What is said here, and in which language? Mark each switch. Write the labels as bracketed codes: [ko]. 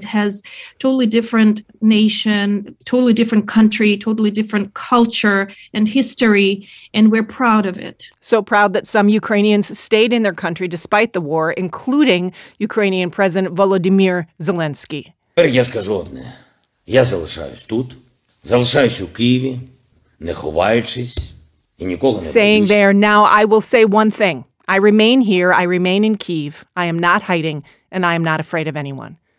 [en] It has totally different nation, totally different country, totally different culture and history, and we're proud of it. So proud that some Ukrainians stayed in their country despite the war, including Ukrainian President Volodymyr Zelensky. [uk] Я скажу одне. Я залишаюсь тут, залишаюсь у Києві, не ховаючись, і нікого не боюсь. [en] Saying there, now I will say one thing. I remain here, I remain in Kyiv, I am not hiding, and I am not afraid of anyone.